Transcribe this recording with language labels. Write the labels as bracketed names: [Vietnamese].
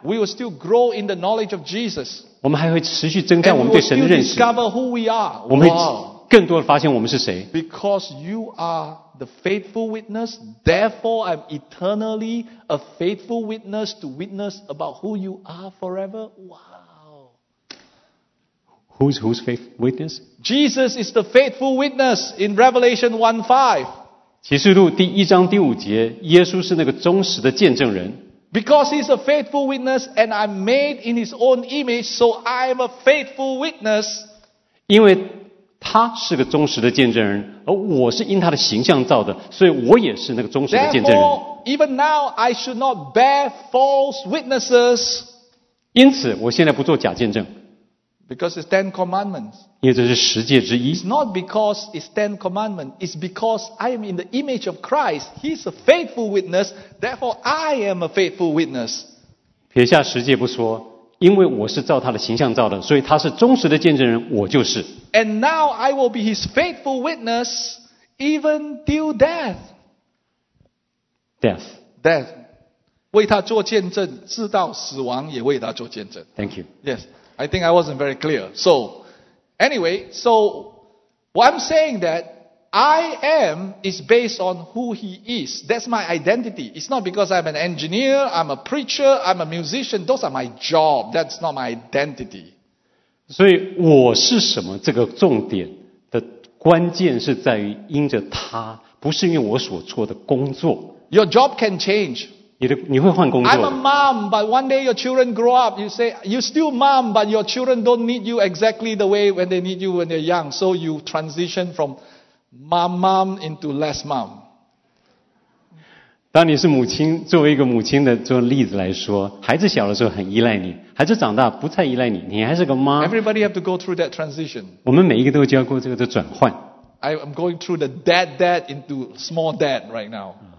[English] We will still grow in the knowledge of Jesus. [Chinese] 我们还会持续增加我们对神的认识。 [English] And we will discover who we are. [Chinese] 我们会更多地发现我们是谁。 [English] Because you are the faithful witness, therefore I'm eternally a faithful witness to witness about who you are forever. Wow. Who's faith witness? Jesus is the faithful witness in Revelation 1:5. [Chinese] 启示录第一章第五节，耶稣是那个忠实的见证人。 [English] Because he's a faithful witness and I'm made in his own image, so I'm a faithful witness. [Chinese] 因为他是个忠实的见证人，而我是因他的形象造的，所以我也是那个忠实的见证人。 [English] Therefore, even now, I should not bear false witnesses. [Chinese] 因此，我现在不做假见证。 [English] Because it's Ten Commandments. [Chinese] 因为这是十诫之一。 [English] It's not because it's Ten Commandments. It's because I am in the image of Christ. He's a faithful witness. Therefore, I am a faithful witness. [Chinese] 撇下十诫不说，因为我是照他的形象造的，所以他是忠实的见证人，我就是。 [English] And now I will be his faithful witness even till death. Death. Death. [Chinese] 为他做见证，直到死亡也为他做见证。 [English] Thank you. Yes. I think I wasn't very clear. So, anyway, so what I'm saying that I am is based on who he is. That's my identity. It's not because I'm an engineer, I'm a preacher, I'm a musician. Those are my job. That's not my identity. [Chinese] 所以我是什么，这个重点的关键是在于因着他，不是因为我所做的工作。 [English] Your job can change. [Chinese] 你会换工作。 [English] I'm a mom, but one day your children grow up. You say, you're still mom, but your children don't need you exactly the way when they need you when they're young. So you transition from mom into less mom. [Chinese] 当你是母亲，作为一个母亲的做例子来说，孩子小的时候很依赖你，孩子长大不太依赖你，你还是个妈。 [English] Everybody have to go through that transition. [Chinese] 我们每一个都要过这个的转换。 [English] I am going through the dad into small dad right now.